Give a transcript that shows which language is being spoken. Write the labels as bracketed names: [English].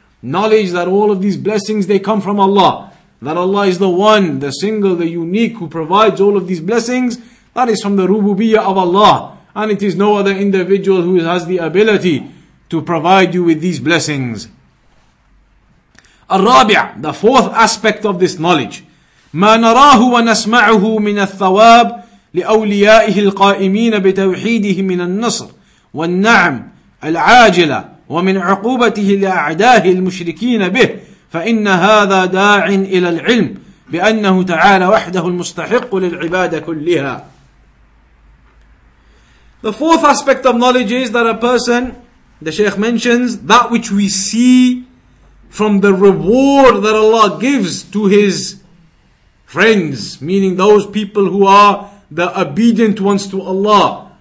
[English] Knowledge that all of these blessings, they come from Allah. That Allah is the one, the single, the unique who provides all of these blessings. That is from the rububiyyah of Allah. And it is no other individual who has the ability to provide you with these blessings. Al-Rabi'ah, the fourth aspect of this knowledge. [Arabic] مَا نَرَاهُ وَنَسْمَعُهُ مِنَ الثَّوَابِ لِأَوْلِيَائِهِ الْقَائِمِينَ بِتَوْحِيدِهِ مِنَ النَّصْرِ والنعم العاجلة ومن عقوبته لأعداه المشركين به فإن هذا داع إلى العلم بأنه تعالى وحده المستحق للعبادة كلها. [English] The fourth aspect of knowledge is that a person, the Shaykh mentions, that which we see from the reward that Allah gives to His friends, meaning those people who are the obedient ones to Allah.